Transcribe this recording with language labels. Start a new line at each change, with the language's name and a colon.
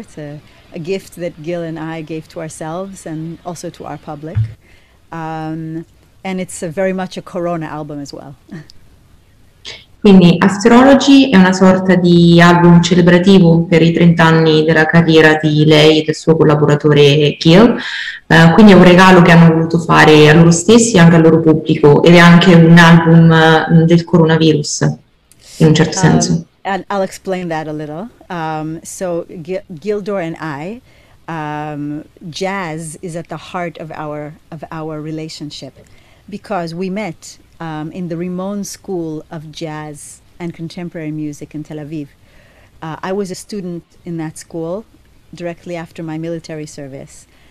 English: It's a gift that Gil and I gave to ourselves and also to our public. And it's a very much a Corona album as well.
Italian: Quindi Afterology è una sorta di album celebrativo per i 30 anni della carriera di lei e del suo collaboratore Gil, quindi è un regalo che hanno voluto fare a loro stessi e anche al loro pubblico, ed è anche un album del coronavirus, in un certo senso.
English: I'll explain that a little. So Gildor and I, jazz is at the heart of our relationship, because we met in the Rimon School of Jazz and Contemporary Music in Tel Aviv. I was a student in that school directly after my military service.